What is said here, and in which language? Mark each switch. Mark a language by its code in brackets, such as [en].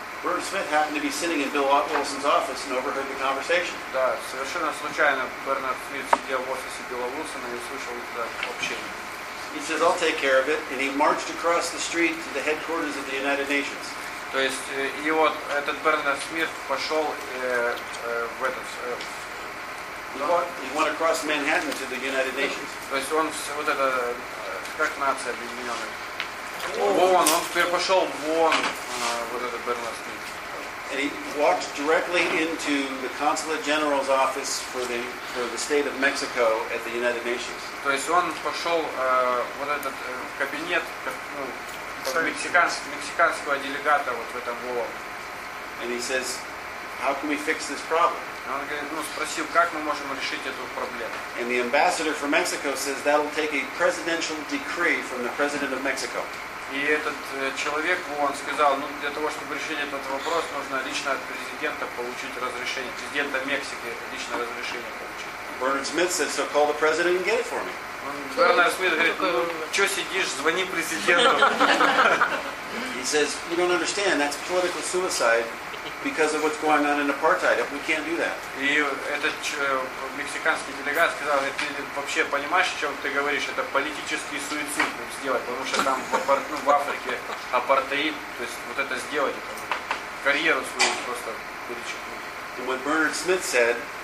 [en] Bert Smith happened to be sitting in Bill Wilson's office and overheard the conversation. [ru] Да, совершенно случайно Бернард Смит сидел в офисе Билла Уилсона и слышал это общение. [en] He says, "I'll take care of it," and he marched across the street to the headquarters of the United Nations. [ru] То есть, и вот этот Бернард Смит пошел в этот. [en] He went across Manhattan to the United Nations. [ru] То есть он вот это как нация объединенная. ООН, он теперь пошел в ООН, вот этот Бернард Смит. [en] And he walked directly into the Consulate General's office for the state of Mexico at the United Nations. [ru] То есть он пошел вот этот кабинет мексиканского делегата вот в этом ООН. [en] And he says, "How can we fix this problem?" [ru] Он говорит, ну спросил, как мы можем решить эту проблему. [en] And the ambassador from Mexico says that'll take a presidential decree from the president of Mexico. [ru] И этот человек, он сказал, ну для того, чтобы решить этот вопрос, нужно лично от президента получить разрешение, президента Мексики лично разрешение получить. [en] Bernard Smith says, so call the president and get it for me. [ru] Бернард Смит говорит, ну что сидишь, звони президенту. [en] He says, you don't understand, that's political suicide. Because of what's going on in apartheid, we can't do that. [ru] И этот мексиканский делегат сказал, ты вообще понимаешь, о чем ты говоришь? Это политический суицид сделать, потому что там в Африке апартеид, то есть вот это сделать, это карьеру свою просто перечеркнуть. [en] And what Bernard Smith said.